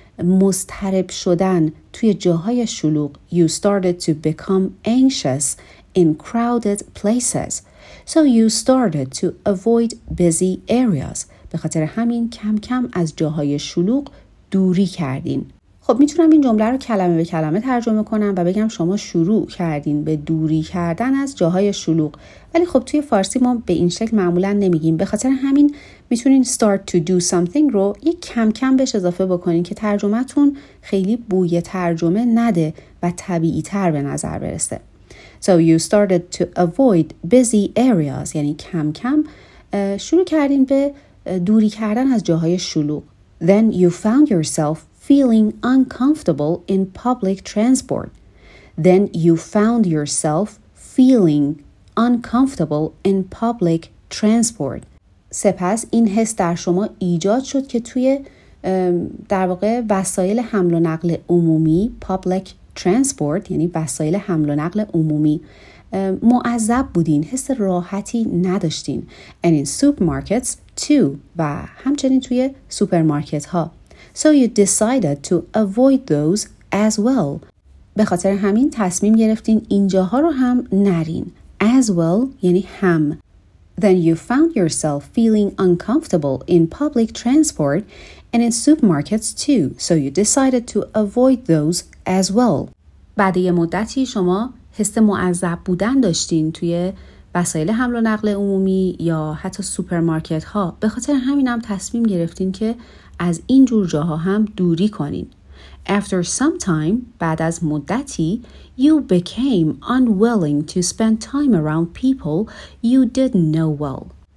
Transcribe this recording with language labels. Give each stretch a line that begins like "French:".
Persian: مضطرب شدن توی جاهای شلوغ.
English: You started to become anxious in crowded places. So you started to avoid busy areas.
Persian: به خاطر همین کم کم از جاهای شلوغ دوری کردین. خب میتونم این جمله رو کلمه به کلمه ترجمه کنم و بگم شما شروع کردین به دوری کردن از جاهای شلوغ. ولی خب توی فارسی ما به این شکل معمولا نمیگیم. به خاطر همین میتونین
English: start to do something
Persian: رو یک کم کم بهش اضافه بکنین که ترجمه‌تون خیلی بوی ترجمه نده و طبیعی تر به نظر برسه.
English: So you started to avoid busy areas.
Persian: یعنی کم کم شروع کردین به دوری کردن از جاهای شلوغ.
English: Then you found yourself feeling uncomfortable in public transport. Then you found yourself feeling uncomfortable in public transport.
Persian: سپس این حس در شما ایجاد شد که توی در واقع وسایل حمل و نقل عمومی public transport یعنی وسایل حمل و نقل عمومی معذب بودین، حس راحتی نداشتین.
English: And in supermarkets too
Persian: و همچنین توی سوپرمارکت ها.
English: So you decided to avoid those as well.
Persian: به خاطر همین تصمیم گرفتین اینجاها رو هم نرین. As well یعنی هم.
English: Then you found yourself feeling uncomfortable in public transport and in supermarkets too. So you decided to avoid those as well.
Persian: بعد یه مدتی شما حس معذب بودن داشتین توی وسایل حمل و نقل عمومی یا حتی سوپرمارکت ها. به خاطر همین هم تصمیم گرفتین که از این جور جاها هم دوری کنین.
English: After some time,
Persian: بعد از مدتی,
English: you became unwilling to spend time around people you didn't know well.